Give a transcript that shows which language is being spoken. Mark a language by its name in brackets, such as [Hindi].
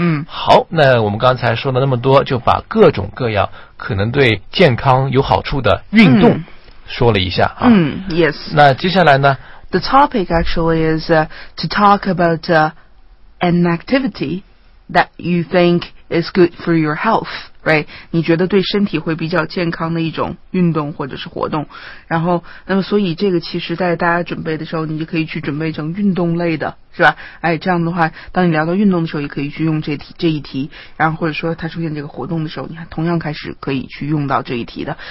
[Chinese] 好，那我们刚才说了那么多，就把各种各样可能对健康有好处的运动说了一下啊。 [English] Yes。 [Chinese] 那接下来呢 [English] ？The topic actually is to talk about an activity that you think is good for your health, right? [Chinese] 你觉得对身体会比较健康的一种运动或者是活动。然后，那么所以这个其实在大家准备的时候，你就可以去准备成运动类的，是吧？哎，这样的话，当你聊到运动的时候，也可以去用这一题。然后或者说它出现这个活动的时候，你还同样开始可以去用到这一题的。